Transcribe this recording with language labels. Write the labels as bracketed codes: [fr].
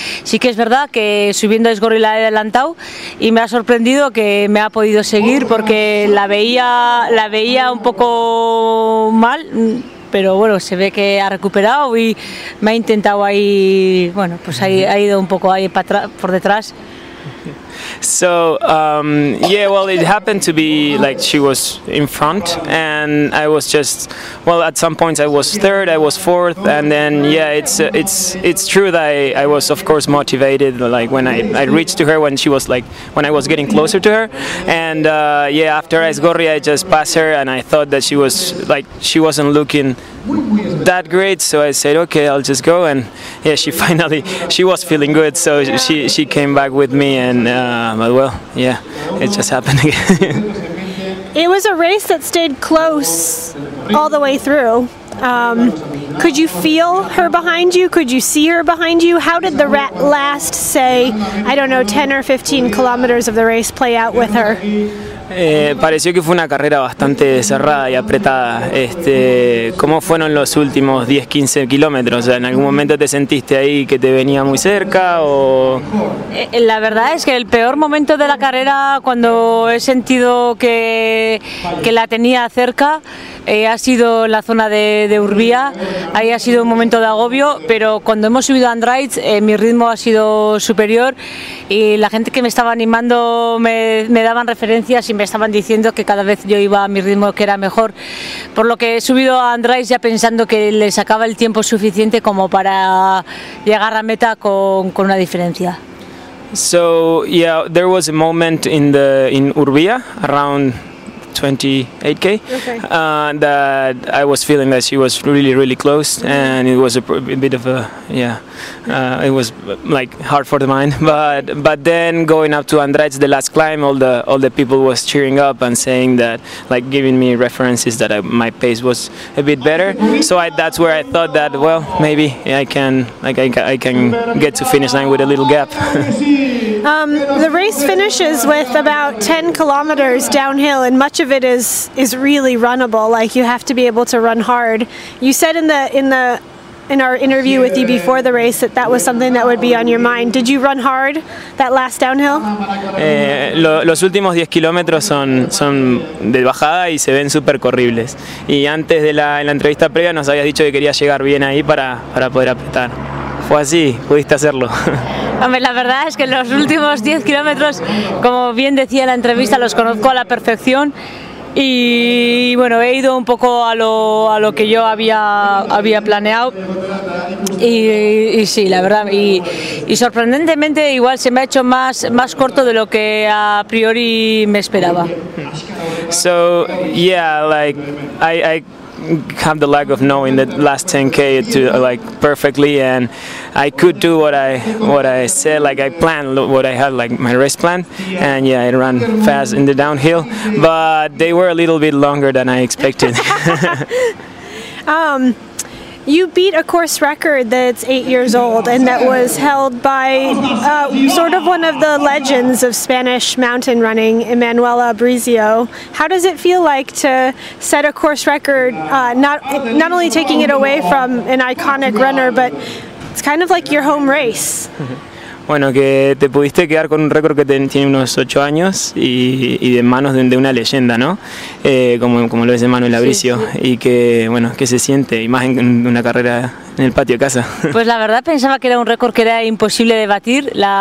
[es] Sí que es verdad que subiendo a Aizkorri la he adelantado y me ha sorprendido que me ha podido seguir, porque la veía un poco mal, pero bueno, se ve que ha recuperado y me ha intentado ahí, bueno, pues ha ido un poco ahí por detrás. [en] So yeah, well, it happened to be like she was in front, and I was just, well, at some points I was third, I was fourth, and then yeah, it's true that I was of course motivated, like when I reached to her when she was like when I was getting closer to her, and yeah, after Aizkorri I just passed her, and I thought that she wasn't looking that great, so I said okay, I'll just go, and yeah, she was feeling good, so she came back with me, and but well, yeah, it just happened again. It was a race that stayed close all the way through. Could you feel her behind you? Could you see her behind you? How did the last, say, I don't know, 10 or 15 kilometers of the race play out with her? [es] Pareció que fue una carrera bastante cerrada y apretada. ¿Cómo fueron los últimos 10-15 kilómetros? O sea, ¿en algún momento te sentiste ahí que te venía muy cerca? O... La verdad es que el peor momento de la carrera, cuando he sentido que la tenía cerca, ha sido en la zona de Urbía. Ahí ha sido un momento de agobio, pero cuando hemos subido a Andraiz, mi ritmo ha sido superior y la gente que me estaba animando me daban referencias y me estaban diciendo que cada vez yo iba a mi ritmo, que era mejor, por lo que he subido a Andraiz ya pensando que le sacaba el tiempo suficiente como para llegar a meta con una diferencia. [en] So yeah, there was a moment in Urbía around 28K, okay. That I was feeling that she was really, really close, mm-hmm. and it was a bit hard for the mind. But then going up to Andrade, the last climb, all the people was cheering up and saying that, like, giving me references that my pace was a bit better. So that's where I thought that, well, maybe I can get to finish line with a little gap. The race finishes with about 10 kilometers downhill, and much of it is really runnable. Like, you have to be able to run hard. You said in our interview with you before the race that was something that would be on your mind. Did you run hard that last downhill? [es] Los últimos 10 kilómetros son de bajada y se ven súper corribles. Y antes de la entrevista previa nos habías dicho que querías llegar bien ahí para poder apretar. Fue así, pudiste hacerlo. Hombre, la verdad es que los últimos 10 kilómetros, como bien decía en la entrevista, los conozco a la perfección. Y bueno, he ido un poco a lo que yo había planeado. Y sí, la verdad, y sorprendentemente igual se me ha hecho más corto de lo que a priori me esperaba. [en] So, yeah, like I have the lack of knowing the last 10K to like perfectly, and I could do what I said, like I planned what I had, like my race plan, and yeah, I ran fast in the downhill, but they were a little bit longer than I expected. You beat a course record that's 8 years old, and that was held by sort of one of the legends of Spanish mountain running, Emmanuel Abrizio. How does it feel like to set a course record, not only taking it away from an iconic runner, but it's kind of like your home race? [es] Bueno, que te pudiste quedar con un récord que tiene unos 8 años y de manos de una leyenda, ¿no? Como lo es Emmanuel Abrizio. Sí, sí. Y que, bueno, que se siente, y más en una carrera en el patio de casa. Pues la verdad pensaba que era un récord que era imposible de batir.